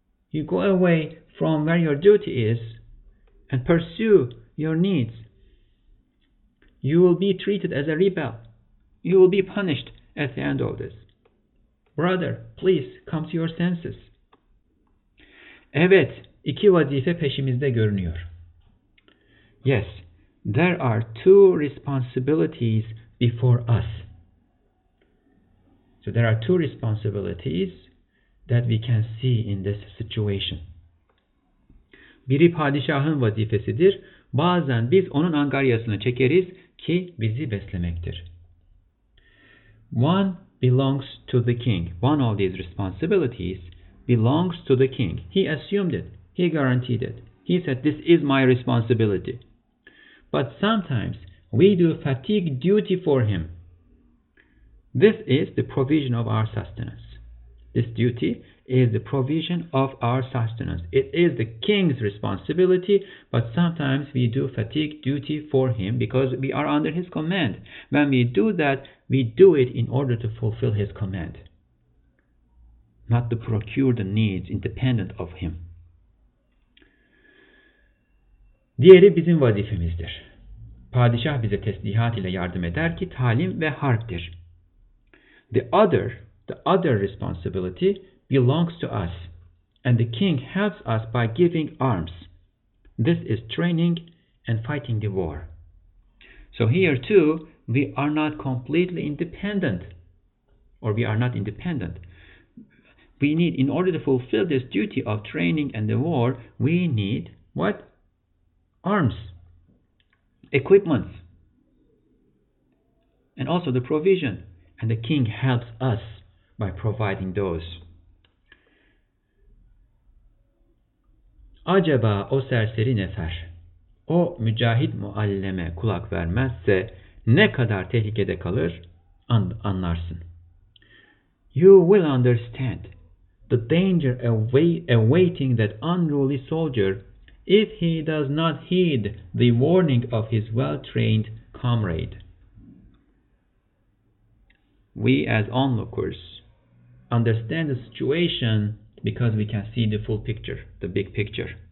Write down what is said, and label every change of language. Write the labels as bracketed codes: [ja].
[en] You go away from where your duty is and pursue your needs. You will be treated as a rebel. You will be punished at the end of this. Brother, please come to your senses. [tr] Evet, iki vazife peşimizde görünüyor. [en] Yes, there are two responsibilities before us. So there are two responsibilities that we can see in this situation. [tr] Biri padişahın vazifesidir. Bazen biz onun angaryasını çekeriz. Ki bizi beslemektir. [en] One belongs to the king. One of these responsibilities belongs to the king. He assumed it. He guaranteed it. He said, this is my responsibility. But sometimes we do fatigue duty for him. This is the provision of our sustenance. This duty is the provision of our sustenance. It is the king's responsibility, but sometimes we do fatigue duty for him because we are under his command. When we do that, we do it in order to fulfill his command, not to procure the needs independent of him. [tr] Diğeri bizim vazifemizdir. Padişah bize teslihat ile yardım eder ki talim ve harptir. [en] The other responsibility belongs to us, and the king helps us by giving arms. This is training and fighting the war. So here too, we are not completely independent, or we are not independent. We need, in order to fulfill this duty of training and the war, we need what? Arms, equipments, and also the provision. And the king helps us by providing those. [tr] Acaba o serseri nefer, o mücahit mualleme kulak vermezse ne kadar tehlikede kalır anlarsın. [en] You will understand the danger awaiting that unruly soldier if he does not heed the warning of his well-trained comrade. We as onlookers understand the situation because we can see the full picture, the big picture.